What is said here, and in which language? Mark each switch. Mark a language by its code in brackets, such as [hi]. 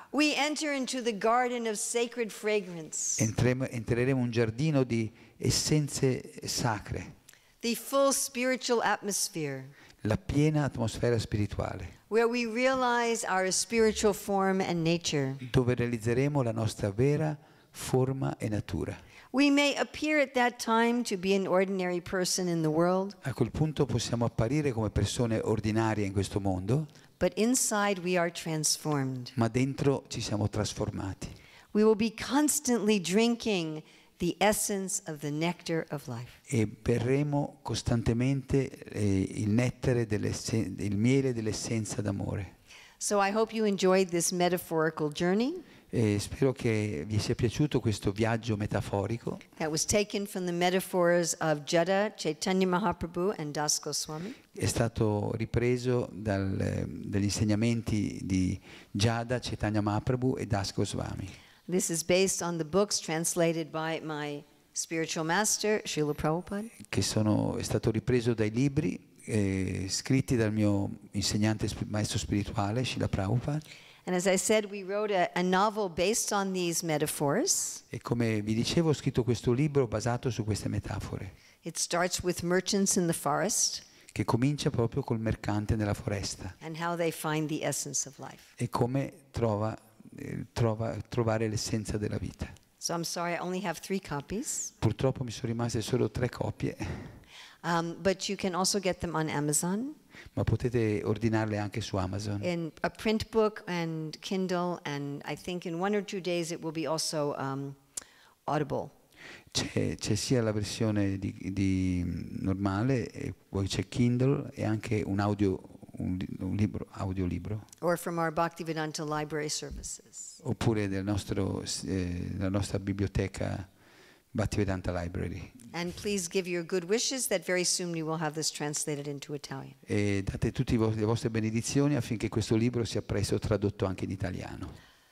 [en] We enter into the garden of sacred fragrance. [it] Entreremo in un giardino di essenze sacre. [en] The full spiritual atmosphere. [it] La piena atmosfera spirituale. [en] Where we realize our spiritual form and nature. [it] Dove realizzeremo la nostra vera forma e natura. [en] We may appear at that time to be an ordinary person in the world. [it] A quel punto possiamo apparire come persone ordinarie in questo mondo. [en] But inside we are transformed. [it] Ma dentro ci siamo trasformati. [en] We will be constantly drinking the essence of the nectar of life. [it] E berremo costantemente il miele dell'essenza d'amore. [en] So I hope you enjoyed this metaphorical journey. [it] E spero che vi sia piaciuto questo viaggio metaforico. [en] That was taken from the metaphors of Jada, Chaitanya Mahaprabhu and Das Goswami. [it] È stato ripreso dagli insegnamenti di Jada, Chaitanya Mahaprabhu e Das Goswami. [en] This is based on the books translated by my spiritual master, Srila Prabhupada. [it] È stato ripreso dai libri scritti dal mio insegnante maestro spirituale, Srila Prabhupada. [en] And as I said, we wrote a novel based on these metaphors. [it] E come vi dicevo, ho scritto questo libro basato su queste metafore. [en] It starts with merchants in the forest. [it] Che comincia proprio col mercante nella foresta. [en] And how they find the essence of life. [it] E come trovare l'essenza della vita. [en] So I'm sorry, I only have three copies. [it] Purtroppo mi sono rimaste solo tre copie. [en] But you can also get them on Amazon. [it] Ma potete ordinarle anche su Amazon. [en] In a print book and Kindle, and I think in one or two days it will be also audible. [it] C'è sia la versione di normale, poi c'è Kindle e anche un libro audiolibro. [en] Or from our Bhaktivedanta library services. [it] Oppure della nostra biblioteca Bhaktivedanta Library. [en] And please give your good wishes that very soon we will have this translated into Italian. [it] E date tutte le vostre benedizioni affinché questo libro sia presto tradotto anche in italiano.